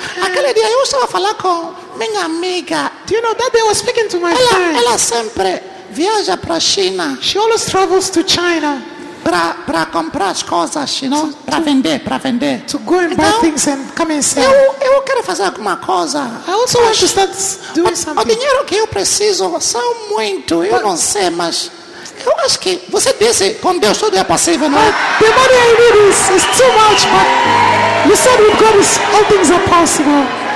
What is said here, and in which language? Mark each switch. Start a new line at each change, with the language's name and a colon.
Portuguese: aquele dia eu estava falando com minha amiga.
English: Do you know that day I was speaking to my friend?
Portuguese: Ela sempre viaja para China.
English: She always travels to China.
Portuguese: Para comprar as coisas,
English: you know?
Portuguese: Para vender.
English: To go and buy things and come and sell.
Portuguese: Eu quero fazer alguma coisa.
English: I also want to start doing something.
Portuguese: O dinheiro que eu preciso são muito. Eu não sei, mas eu acho que você disse com Deus tudo é possível, não é?
English: The money I need is too much, but you said with God is all things are possible.